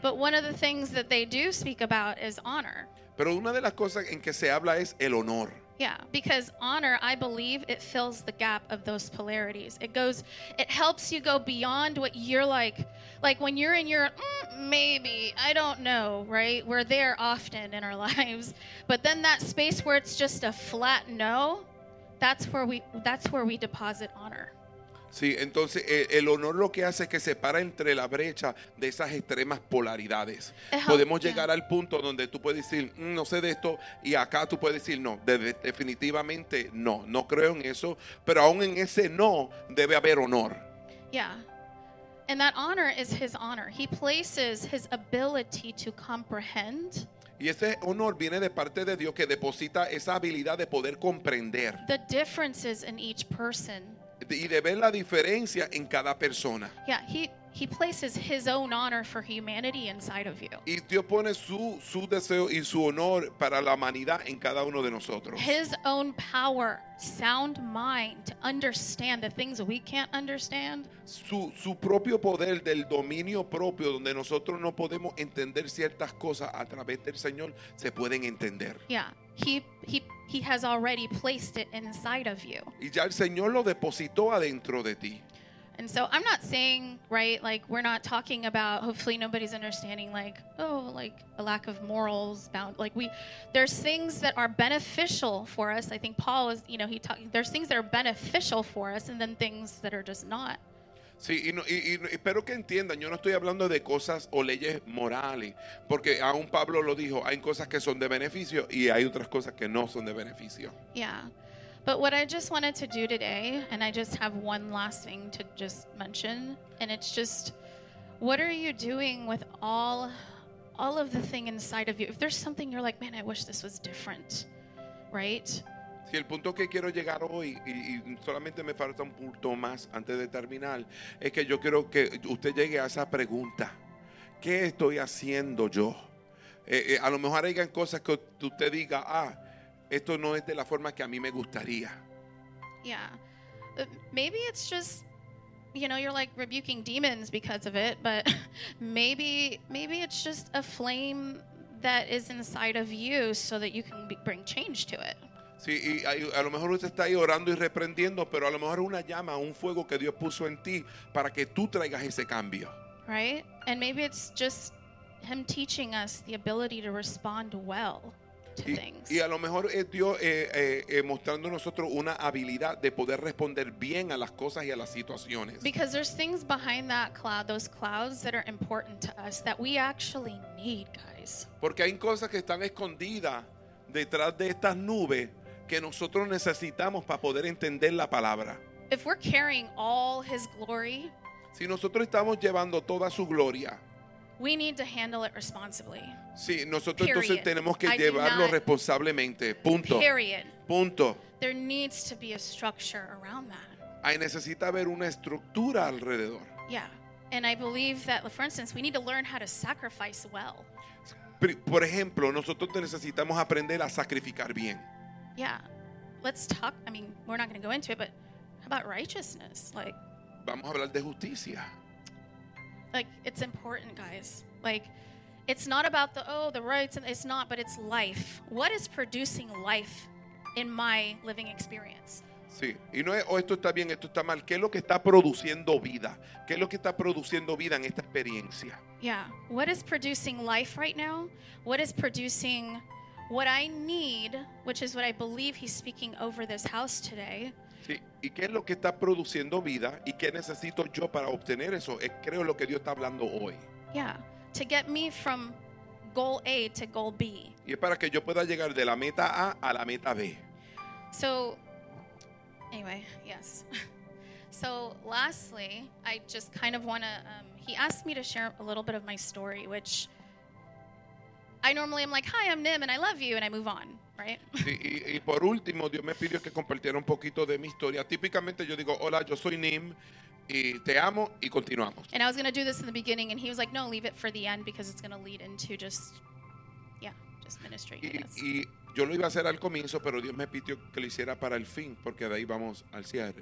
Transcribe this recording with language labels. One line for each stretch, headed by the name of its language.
English: But one of the things that they do speak about is honor.
Spanish: Pero una de las cosas en que se habla es el honor.
English: Yeah, because honor, I believe, it fills the gap of those polarities. It goes, it helps you go beyond what you're like. Like when you're in your, maybe, I don't know, right? We're there often in our lives. But then that space where it's just a flat no, that's where we deposit honor.
Spanish: Sí, entonces el honor lo que hace es que separa entre la brecha de esas extremas polaridades. Podemos llegar al punto donde tú puedes decir, no sé de esto, y acá tú puedes decir, no, definitivamente no, no creo en eso, pero aún en ese no debe haber honor.
English: Yeah, and that honor is his honor. He places his ability to comprehend.
Spanish: Y ese honor viene de parte de Dios que deposita esa habilidad de poder comprender.
English: The differences in each person.
Spanish: Y de ver la diferencia en cada persona.
English: Yeah, he places his own honor for humanity inside of you.
Spanish: Y Dios pone su deseo y su honor para la humanidad en cada uno de nosotros.
English: His own power, sound mind to understand the things we can't understand.
Spanish: Su propio poder del dominio propio donde nosotros no podemos entender ciertas cosas a través del Señor se pueden entender.
English: Yeah, he has already placed it inside of you.
Spanish: Y ya el Señor lo depositó adentro de ti.
English: And so I'm not saying, right, like we're not talking about, hopefully nobody's understanding like, oh, like a lack of morals, bound, like we, there's things that are beneficial for us. I think Paul is, you know, he talked, there's things that are beneficial for us and then things that are just not.
Spanish: Sí, y espero que entiendan, yo no estoy hablando de cosas o leyes morales, porque aún Pablo lo dijo, hay cosas que son de beneficio y hay otras cosas que no son de beneficio.
English: Yeah, but what I just wanted to do today, and I just have one last thing to just mention, and it's just, what are you doing with all of the thing inside of you? If there's something you're like, man, I wish this was different, right?
Spanish: Si el punto que quiero llegar hoy y solamente me falta un punto más antes de terminar es que yo quiero que usted llegue a esa pregunta, ¿qué estoy haciendo yo? A lo mejor hay cosas que usted diga, ah, esto no es de la forma que a mí me gustaría.
English: Yeah, maybe it's just, you know, you're like rebuking demons because of it, but maybe it's just a flame that is inside of you so that you can bring change to it.
Spanish: Sí, y a lo mejor usted está ahí orando y reprendiendo, pero a lo mejor una llama, un fuego que Dios puso en ti para que tú traigas ese cambio.
English: Right? And maybe it's just him teaching us the ability to respond well to things.
Spanish: Y a lo mejor es Dios mostrando a nosotros una habilidad de poder responder bien a las cosas y a las situaciones.
English: Because there's things behind that cloud, those clouds that are important to us that we actually need, guys.
Spanish: Porque hay cosas que están escondidas detrás de estas nubes que nosotros necesitamos para poder entender la palabra.
English: If we're carrying all his glory,
Spanish: si nosotros estamos llevando toda su gloria,
English: we need to handle it responsibly.
Spanish: Sí, nosotros entonces tenemos que llevarlo responsablemente. Punto.
English: Period.
Spanish: Punto.
English: There needs to be a structure around that.
Spanish: Ahí necesita haber una estructura alrededor.
English: Yeah. And I believe that, for instance, we need to learn how to sacrifice well.
Spanish: Por ejemplo, nosotros necesitamos aprender a sacrificar bien.
English: Yeah, let's talk. I mean, we're not going to go into it, but how about righteousness? Like,
Spanish: vamos a hablar de justicia.
English: Like, it's important, guys. Like, it's not about the the rights, and it's not, but it's life. What is producing life in my living experience?
Spanish: Sí, y no es, esto está bien, esto está mal. ¿Qué es lo que está produciendo vida? ¿Qué es lo que está produciendo vida en esta experiencia?
English: Yeah, what is producing life right now? What is producing what I need, which is what I believe he's speaking over this house today.
Spanish: Sí, ¿y qué es lo que está produciendo vida y qué necesito yo para obtener eso? Creo lo que Dios está hablando hoy.
English: Yeah, to get me from goal A to goal B.
Spanish: Y es para que yo pueda llegar de la meta A a la meta B.
English: So, anyway, yes. So, lastly, I just kind of want to, he asked me to share a little bit of my story, which I normally am like, hi, I'm Nim, and I love you, and I move on. Right?
Spanish: Y por último, Dios me pidió que compartiera un poquito de mi historia. Típicamente yo digo, hola, yo soy Nim, y te amo, y continuamos.
English: And I was going to do this in the beginning, and he was like, no, leave it for the end, because it's going to lead into just, yeah, just ministry, I guess.
Spanish: Y yo lo iba a hacer al comienzo, pero Dios me pidió que lo hiciera para el fin, porque de ahí vamos al cierre.